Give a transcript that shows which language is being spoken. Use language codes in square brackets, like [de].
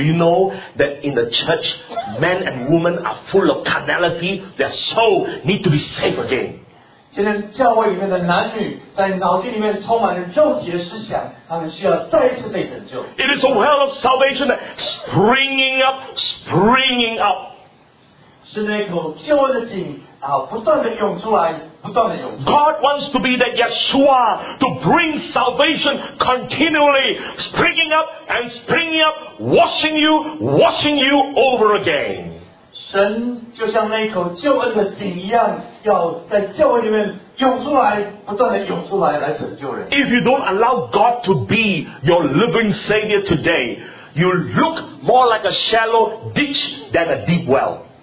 [en] you know that in the church, men and women are full of carnality? Their soul need to be saved again. [zh] 今天教会里面的男女在脑筋里面充满了肉体的思想，他们需要再一次被拯救。 [en] It is a well of salvation that springing up, springing up. [zh] 是那口救恩的井，不断的涌出来。 [en] God wants to be that Yeshua to bring salvation continually, springing up and springing up, washing you over again. [zh] 神就像那口救恩的井一样，要在教会里面涌出来，不断的涌出来，来拯救人。 [en] If you don't allow God to be your living Savior today, you look more like a shallow ditch than a deep well.